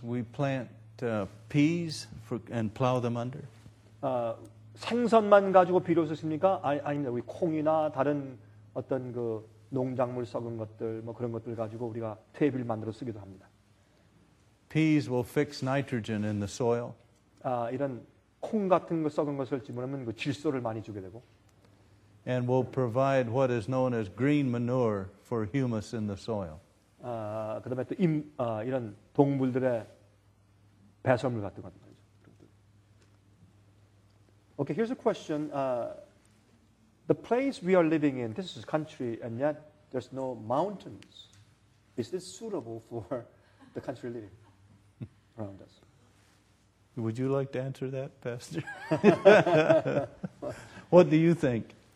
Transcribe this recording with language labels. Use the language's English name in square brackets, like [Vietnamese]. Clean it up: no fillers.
[English] We plant peas for, and plow them under. [Korean] 생선만 가지고 비료 쓰십니까? 아니면 우리 콩이나 다른 어떤 그 농작물 썩은 것들 뭐 그런 것들 가지고 우리가 퇴비를 만들어 쓰기도 합니다. [English] Peas will fix nitrogen in the soil. [Korean] 이런 콩 같은 거 썩은 것을 집어넣으면 그 질소를 많이 주게 되고. [English] And will provide what is known as green manure for humus in the soil. [Korean] 그다음에 또 이런 동물들의 배설물 같은 것. [English] Okay, here's a question. The place we are living in, this is country, and yet there's no mountains. Is this suitable for the country living around us? Would you like to answer that, Pastor? What do you think?